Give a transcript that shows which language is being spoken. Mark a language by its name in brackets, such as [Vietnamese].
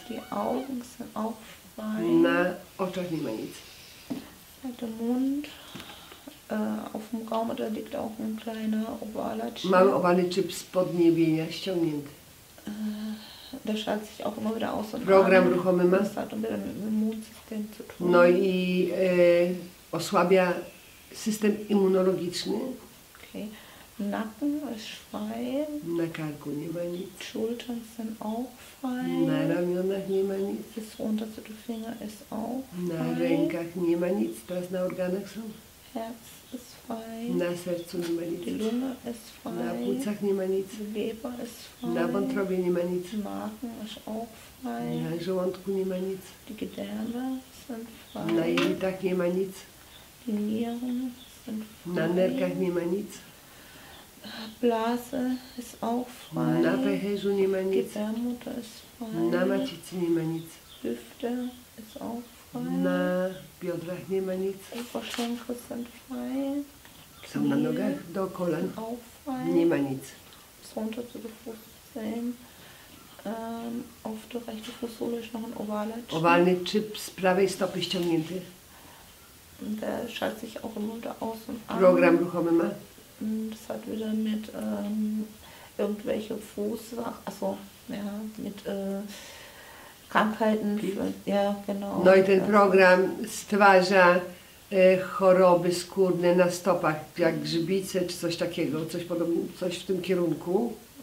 [German] Die Augen sind auch frei. [Polish] Na oczach nie ma nic. [German] Der Mund auf dem Raum, da liegt auch ein kleiner ovaler Chip. [Polish] Mały owalny chip z podniebienia ściągnięty. [German] Der schaut sich auch immer wieder aus. [Polish] Program ruchomy ma. [German] Das hat mit dem Immunsystem zu tun. [Polish] No i osłabia system immunologiczny. [German] Okay. Nacken ist frei. [Polish] Na karku nie ma nic. [German] Schultern sind auch frei. [Polish] Na ramionach nie ma nic. [German] Bis runter zu den Fingern ist auch frei. [Polish] Na rękach nie ma nic. Teraz na organach są. [German] Herz ist frei. [Polish] Na sercu nie ma nic. [German] Die Lunge ist frei. [Polish] Na płucach nie ma nic. [German] Leber ist frei. [Polish] Na wątrobie nie ma nic. [German] Magen ist auch frei. [Polish] Na żołądku nie ma nic. [German] Die Gedärme sind frei. [Polish] Na jelitach nie ma nic. [German] Die Nieren sind frei. [Polish] Na nerkach nie ma nic. [German] Blase ist auch frei. [Polish] Na pęcherzu nie ma nic. [German] Gebärmutter ist frei. [Polish] Na macicy nie ma nic. [German] Hüfte ist auch frei. [Polish] Na biodrach nie ma nic. [German] Oberschenkel sind frei. [Polish] Są na nogach, do kolan. [German] Auch frei. [Polish] Nie ma nic. [German] Runter zu den Fußzehen. Auf der rechten Fußsohle ist noch ein ovaler Chip. [Polish] Owalny chip z prawej stopy ściągnięty. [German] Der schaut sich auch im Mund aus und an. [Polish] Program ruchomy ma. [German] Das hat wieder mit irgendwelche Fußsachen, also ja, mit Krankheiten. Für, ja, genau. [Polish] No i ten program stwarza choroby skórne na stopach, jak grzybice czy coś takiego, coś podobnego, coś w tym kierunku.